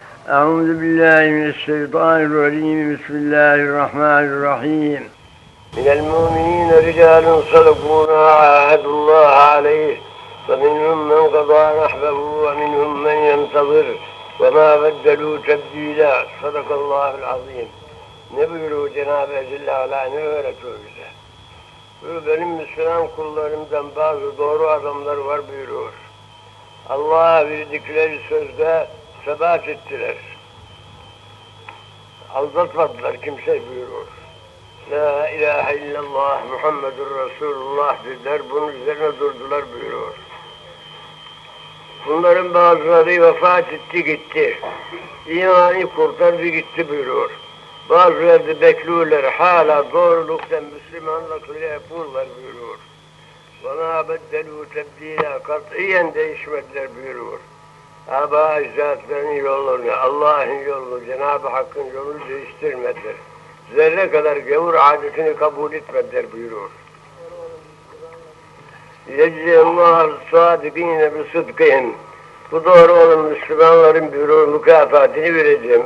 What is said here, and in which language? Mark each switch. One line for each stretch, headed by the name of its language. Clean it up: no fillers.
Arabic: أعوذ بالله من الشيطان الرجيم، بسم الله الرحمن الرحيم. من المؤمنين رجال صدقوا ما عاهدوا الله عليه، فمنهم من قضى نحبه ومنهم من ينتظر وما بدلوا تبديلا. صدق الله العظيم.
Turkish: Ne buyuruyor Cenab-ı Celle Ala, ne öğretiyor bize? Buyuruyor, benim Müslüman kullarımdan bazı doğru adamlar var buyuruyor. Allah'a verdikleri sözde sebat ettiler. Aldatmadılar kimse buyuruyor. La ilahe illallah Muhammedur Resulullah dediler, bunun üzerine durdular buyuruyor. Bunların bazıları vefat etti gitti. İmanı kurtardı gitti buyuruyor. Bazıları da bekliyorlar, hala doğrulukla Müslümanlıkla yapıyorlar buyuruyor.
Arabic: وَنَا بَدَّلُوا تَبْد۪يلًا قَطْئِيًا
Turkish: değişmediler buyuruyor. Aba icraatlerinin yolunu, Allah'ın yolunu, Cenab-ı Hakk'ın yolunu değiştirmediler. Zerre kadar gavur adetini kabul etmediler buyuruyor.
Arabic: يَجْزِيَ اللّٰهَ الصَّادِقِينَ بِصِدْقِهِمْ.
Turkish: Bu doğru olan Müslümanların buyuruyor, mükafatını vereceğim.